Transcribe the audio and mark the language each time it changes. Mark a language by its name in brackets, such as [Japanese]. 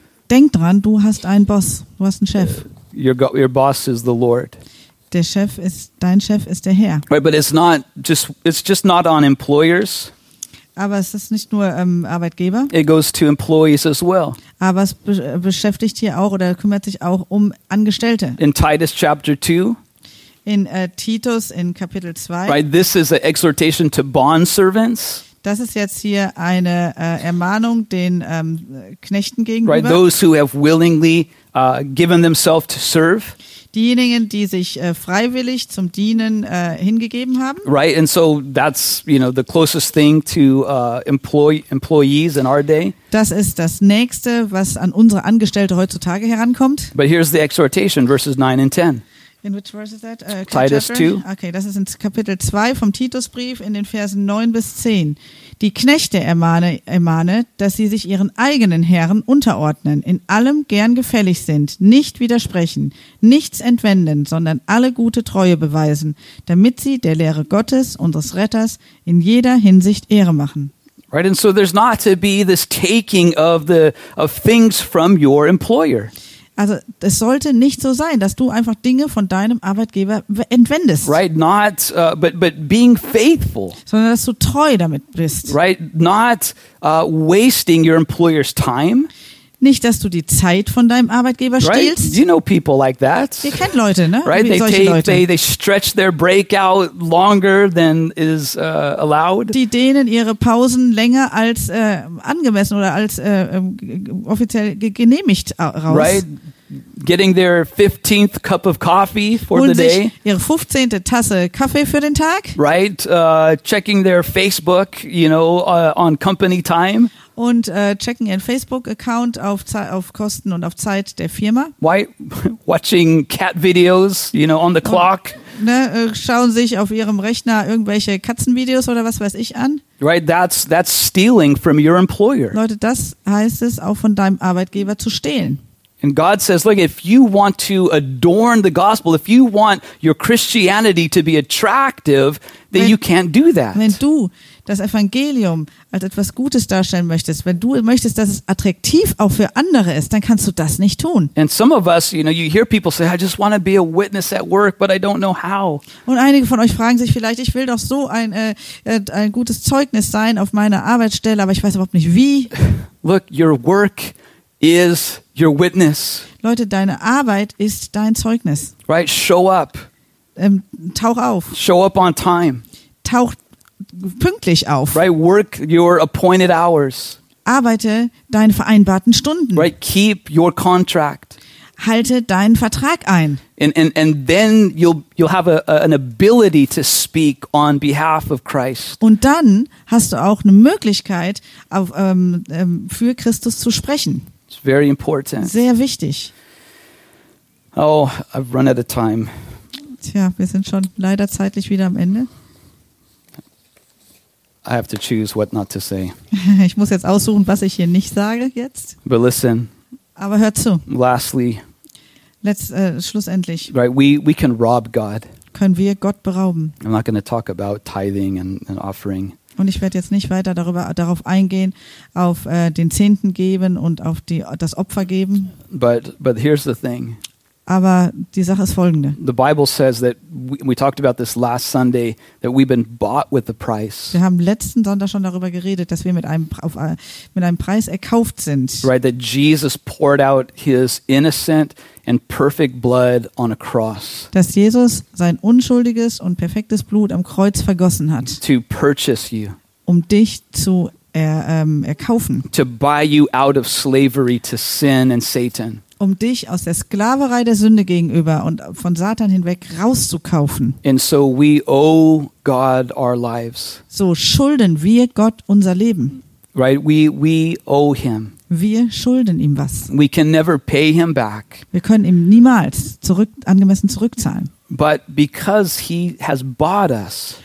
[German] Denk dran, du hast einen Boss, du hast einen Chef. [English] Your boss is the Lord. [German] Der Chef ist dein Chef ist der Herr. [English] Right, but it's just not on employers. [German] Aber es ist nicht nur Arbeitgeber. [English] It goes to employees as well. [German] Aber es beschäftigt hier auch oder kümmert sich auch um Angestellte. [English] In Titus chapter 2. [German] In Titus in Kapitel 2. [English] Right, this is an exhortation to bond servants. [German] Das ist jetzt hier eine Ermahnung den Knechten gegenüber. [English] Right, those who have willingly given themselves to serve. [German] Diejenigen, die sich freiwillig zum Dienen hingegeben haben. [English] Right, and so that's, you know, the closest thing to employees in our day. [German] Das ist das Nächste, was an unsere Angestellte heutzutage herankommt. [English] But here's the exhortation, verses 9 and 10. In which verse is that? Titus 2. [German] Okay, das ist in Kapitel 2 vom Titusbrief in den Versen 9 bis 10. Die Knechte ermahne, dass sie sich ihren eigenen Herren unterordnen, in allem gern gefällig sind, nicht widersprechen, nichts entwenden, sondern alle gute Treue beweisen, damit sie der Lehre Gottes, unseres Retters, in jeder Hinsicht Ehre machen. [English] Right, and so there's not to be this taking of things from your employer. [German] Also, es sollte nicht so sein, dass du einfach Dinge von deinem Arbeitgeber entwendest. [English] Right, not but being faithful. [German] Sondern dass du treu damit bist. [English] Right, not wasting your employer's time. [German] nicht, dass du die Zeit von deinem Arbeitgeber stehlst. [English] Right? You know people like that. [German] Ihr kennt Leute, ne? [English] Right? They take, Leute. They stretch their break out longer than is allowed. [German] Die dehnen ihre Pausen länger als angemessen oder als offiziell genehmigt raus. [English] Right? Getting their 15th cup of coffee for [German] holen [English] the day. [German] Sich ihre 15. Tasse Kaffee für den Tag. [English] Right? Checking their Facebook, you know, on company time. [German] Und checken ihren Facebook-Account auf Kosten und auf Zeit der Firma. [English] Why? Watching cat videos, you know, on the clock. [German] Und, ne, schauen sich auf ihrem Rechner irgendwelche Katzenvideos oder was weiß ich an. [English] Right, that's stealing from your employer. [German] Leute, das heißt es, auch von deinem Arbeitgeber zu stehlen. [English] And God says, look, if you want to adorn the gospel, if you want your Christianity to be attractive, then you can't do that. [German] Wenn du das Evangelium als etwas Gutes darstellen möchtest, wenn du möchtest, dass es attraktiv auch für andere ist, dann kannst du das nicht tun. [English] And some of us, you know, you hear people say, I just want to be a witness at work, but I don't know how. [German] Und einige von euch fragen sich vielleicht, ich will doch so ein gutes Zeugnis sein auf meiner Arbeitsstelle, aber ich weiß überhaupt nicht wie. [English] Look, your work is your witness. [German] Leute, deine Arbeit ist dein Zeugnis. [English] Right, show up. [German] Tauch auf. [English] Show up on time. [German] Tauch pünktlich auf. [English] Right, work your appointed hours. [German] Arbeite deine vereinbarten Stunden. [English] Right, keep your contract. [German] Halte deinen Vertrag ein. [English] And then you'll have an ability to speak on behalf of Christ. [German] Und dann hast du auch eine Möglichkeit, auf, für Christus zu sprechen. [English] It's very important. [German] Sehr wichtig. [English] Oh, I've run out of time. [German] Tja, wir sind schon leider zeitlich wieder am Ende. [English] I have to choose what not to say. [German] Ich muss jetzt aussuchen, was ich hier nicht sage jetzt. [English] But listen. [German] Aber hör zu. [English] Lastly. [German] Schlussendlich. [English] Right, we can rob God. [German] Können wir Gott berauben? [English] I'm not going to talk about tithing and offering. [German] Und ich werde jetzt nicht weiter darauf eingehen, auf den Zehnten geben und auf das Opfer geben. [English] But here's the thing. [German] Aber die Sache ist folgende. [English] The Bible says that we talked about this last Sunday, that we've been bought with a price. [German] Wir haben letzten Sonntag schon darüber geredet, dass wir mit einem Preis erkauft sind. [English] Right, that Jesus poured out his innocent and perfect blood on a cross. [German] Dass Jesus sein unschuldiges und perfektes Blut am Kreuz vergossen hat. [English] To purchase you. [German] Um dich zu erkaufen. [English] To buy you out of slavery to sin and Satan. [German] Um dich aus der Sklaverei der Sünde gegenüber und von Satan hinweg rauszukaufen. [English] And so we owe God our lives. [German] So schulden wir Gott unser Leben. [English] Right, we owe him. [German] Wir schulden ihm was. [English] We can never pay him back. [German] Wir können ihm niemals angemessen zurückzahlen. [English] But because he has bought us.